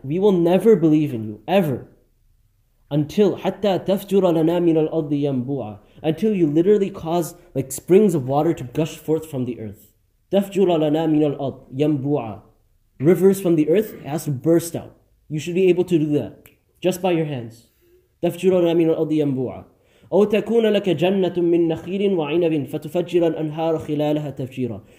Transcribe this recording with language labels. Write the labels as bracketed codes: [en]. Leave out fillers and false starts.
[en] We will never believe in you, ever. Until [ar] حَتَّى تَفْجُرَ لَنَا مِنَ الْأَرْضِ يَنْبُوعًا. [en] Until you literally cause like springs of water to gush forth from the earth. [ar] تَفْجُرَ لَنَا مِنَ الْأَرْضِ يَنْبُوعًا. [en] Rivers from the earth, it has to burst out. You should be able to do that. Just by your hands. [ar] تَفْجُرَ لَنَا مِنَ الْأَرْضِ يَنْبُوعًا. أَوْ تَكُونَ لَكَ جَنَّةٌ مِّن نَخِيلٍ وَعِنَبٍ فَتُفَجِّرَ الْأَنْهَارَ خِلَالَهَا تَفْجِيرًا.